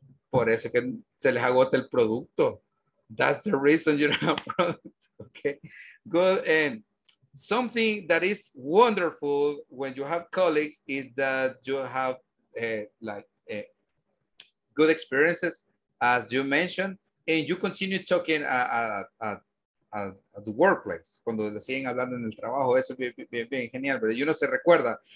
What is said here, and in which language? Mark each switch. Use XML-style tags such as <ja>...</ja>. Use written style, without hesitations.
<es>Por eso que se les agota el producto.</es> <en>That's the reason you don't have product. Okay. Good. And something that is wonderful when you have colleagues is that you have good experiences, as you mentioned, and you continue talking at the workplace.</en> <es>Cuando le siguen hablando en el trabajo, eso es bien genial, pero uno se recuerda.</es>